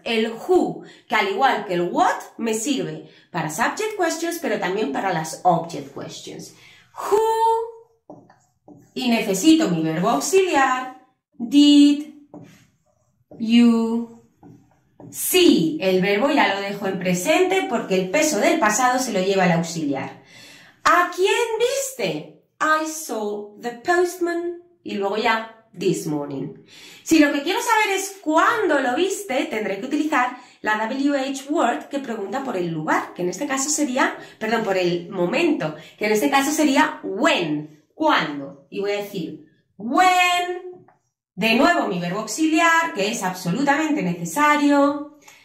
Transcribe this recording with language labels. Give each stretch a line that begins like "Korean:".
Spanish: El who, que al igual que el what, me sirve para subject questions, pero también para las object questions. Who, y necesito mi verbo auxiliar,
English: did you see?
Spanish: El verbo ya lo dejo en presente porque el peso del pasado se lo lleva el auxiliar. ¿A quién viste?
English: I saw the postman,
Spanish: y luego ya,
English: this morning.
Spanish: Si lo que quiero saber es cuándo lo viste, tendré que utilizar la WH word que pregunta por el lugar, que en este caso sería, perdón, por el momento, que en este caso sería when, cuándo. Y voy a decir when, de nuevo mi verbo auxiliar, que es absolutamente necesario.